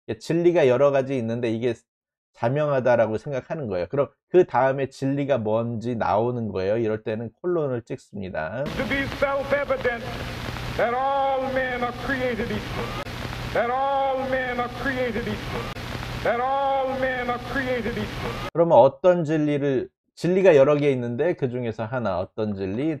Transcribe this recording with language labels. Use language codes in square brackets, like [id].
[ko] 진리가 여러 가지 있는데 이게 자명하다라고 생각하는 거예요. 그럼 그 다음에 진리가 뭔지 나오는 거예요. 이럴 때는 콜론을 찍습니다. [en] To be self-evident that all men are created equal. That all men are created equal. That all men are created equal. [ko] 그러면 어떤 진리를 진리가 여러 개 있는데 그 중에서 하나 어떤 진리?